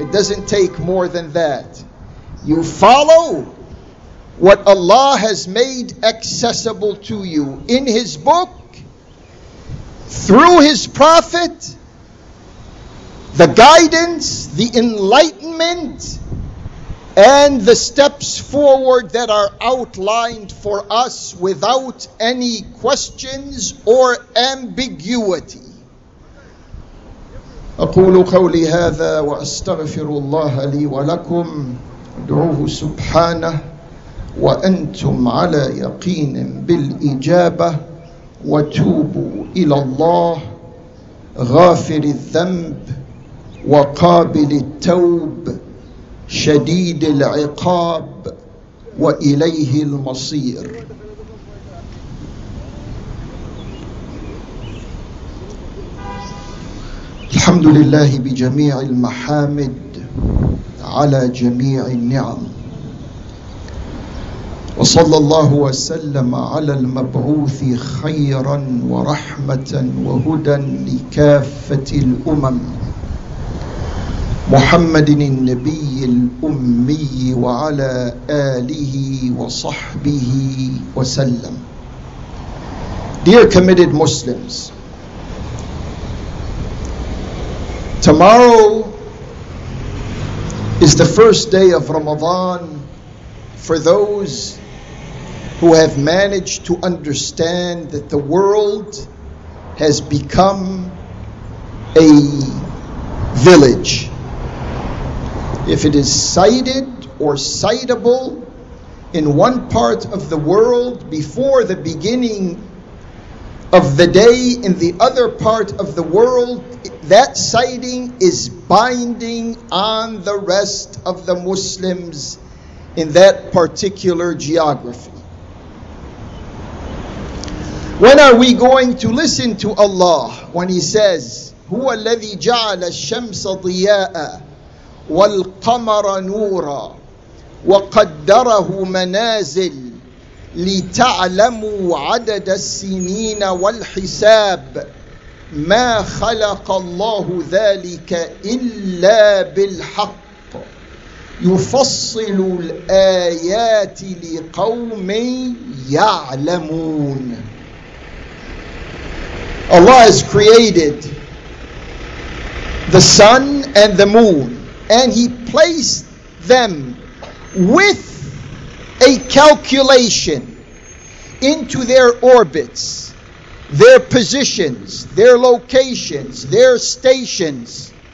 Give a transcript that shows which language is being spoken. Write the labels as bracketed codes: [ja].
[en] It doesn't take more than that. You follow what Allah has made accessible to you in His book, through His Prophet, the guidance, the enlightenment, and the steps forward that are outlined for us without any questions or ambiguity. [ar] أقول قولي هذا وأستغفر الله لي ولكم. ادعوه سبحانه وأنتم على يقين بالإجابة وتوبوا إلى الله غافر الذنب وقابل التوب شديد العقاب وإليه المصير. الحمد لله بجميع المحامد على جميع النعم، وصلى الله وسلم على المبعوث خيرا ورحمة وهدى لكافة الأمم محمد النبي الأمي وعلى آله وصحبه وسلم. [en] Dear committed Muslims, tomorrow is the first day of Ramadan for those who have managed to understand that the world has become a village. If it is sighted or sightable in one part of the world before the beginning of the day in the other part of the world, that sighting is binding on the rest of the Muslims in that particular geography. When are we going to listen to Allah when He says, [ar] هُوَ الَّذِي جَعَلَ الشَّمْسَ ضِيَاءً وَالْقَمَرَ نُورًا وَقَدَّرَهُ مَنَازِلٍ لِتَعْلَمُوا عَدَدَ السِّنِينَ وَالْحِسَابِ مَا خَلَقَ اللَّهُ ذَلِكَ إِلَّا بِالْحَقِّ يُفَصِّلُ الْآيَاتِ لِقَوْمٍ يَعْلَمُونَ. [en] Allah has created the sun and the moon, and he placed them with a calculation into their orbits, their positions, their locations, their stations.